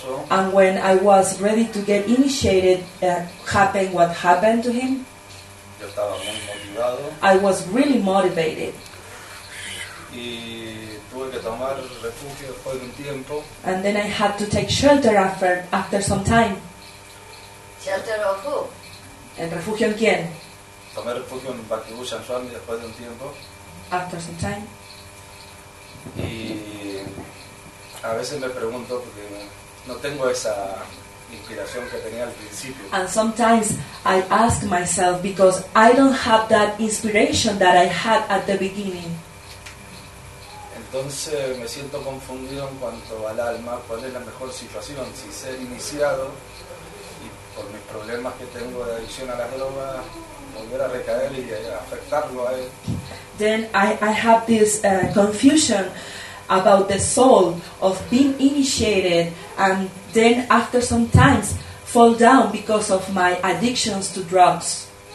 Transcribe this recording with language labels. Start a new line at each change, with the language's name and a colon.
English: And when I was ready to get initiated, happened what happened to him.
Spanish: Yo estaba muy motivado.
English: I was really motivated.
Spanish: Y tuve que tomar refugio después de un tiempo.
English: And then I had to take shelter after some time. Shelter of who?
Spanish: ¿El refugio en quién? Tomé refugio en Bhaktivushan Swami después de un tiempo.
English: After some time.
Spanish: Y a veces me pregunto porque no tengo esa inspiración que tenía al principio.
English: And sometimes I ask myself because I don't have that inspiration that I had at the beginning.
Spanish: Entonces me siento confundido en cuanto al alma, cuál es la mejor situación, si ser iniciado y por mis problemas que tengo de adicción a las drogas volver a recaer y afectarlo a él.
English: Then I have this confusion about the soul of being initiated and then after some times fall down because of my addictions to drugs.